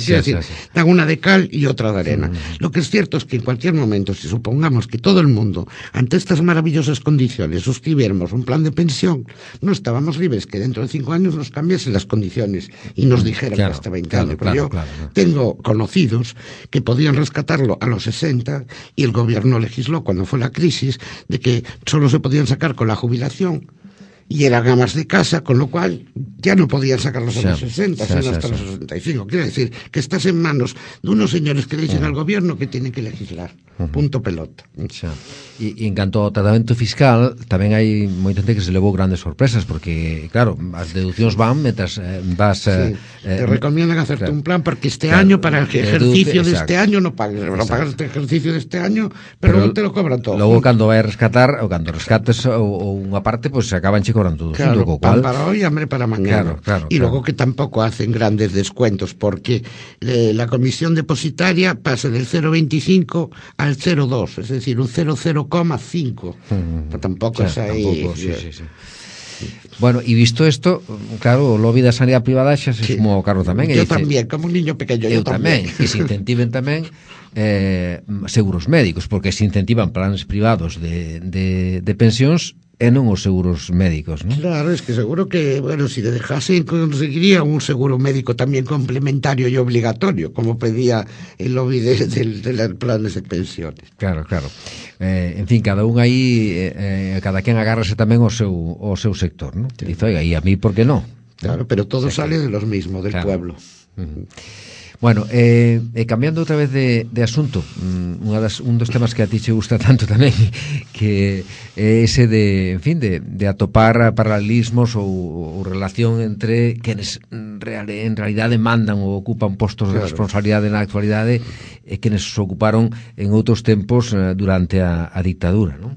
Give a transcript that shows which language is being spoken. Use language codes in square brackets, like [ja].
[gl] Sí, decir, dan unha de cal e outra de arena. Mm. [es] Lo que é certo es que en cualquier momento, si supongamos que todo el mundo, ante estas maravillosas condiciones, suscribiéramos un plan de pensión, no estábamos libres que dentro de 5 años nos cambiasen las condiciones y nos dijeran, claro, que estaba inclinado. Claro, yo, claro, tengo conocidos que podían rescatarlo a los 60 y el gobierno legisló cuando fue la crisis de que solo se podían sacar con la jubilación y eran amas de casa, con lo cual ya no podían sacarlos a los 60, sino hasta los 65. Quiere decir que estás en manos de unos señores que le dicen al gobierno que tienen que legislar. Punto pelota. [gl] Xa. E en canto ao tratamento fiscal, tamén hai moita xente que se levou grandes sorpresas, porque, claro, as deduccións van mentras vas... [es] Sí, te recomiendan hacerte, claro, un plan, porque este, claro, año, para el ejercicio de este año, no pagues. Exacto. No pagas este ejercicio de este año, pero no te lo cobran todo. [gl] Logo, cando vai a rescatar, ou cando rescates ou unha parte, pues se acaban che cobrando todo. [es] Claro, junto, cual... pan para hoy, hambre para mañana. Claro, claro. Y claro, luego que tampoco hacen grandes descuentos, porque la comisión depositaria pasa del 0,25 al 0,2, es decir, un 0,05. Tampoco, o sea, es ahí. Tampoco, sí, sí, sí. Bueno, y visto esto, [gl] claro, o lobby da sanidade privada xa se sumou ao carro tamén. Yo tamén, como un niño pequeno, yo tamén. Que se incentiven tamén seguros médicos, porque se incentivan planes privados de pensións, e non os seguros médicos, non? [es] Claro, es que seguro que, bueno, si dejasen, conseguiría un seguro médico también complementario y obligatorio, como pedía el lobby de los planes de pensiones. Claro, claro. [gl] En fin, cada un aí, cada quien agárrase tamén o seu sector, non? [es] Sí. [gl] Dice, oiga, e a mí, por que non? [es] Claro, pero todo sí, sale de los mismos, del claro. Pueblo. Bueno, cambiando otra vez de asunto, un dos temas que a ti te gusta tanto también, que ese de, en fin, [gl] de atopar paralelismos [es] o relación entre quienes en realidad demandan o ocupan puestos de responsabilidad en la actualidad y quienes se ocuparon en otros tiempos durante la dictadura, ¿no?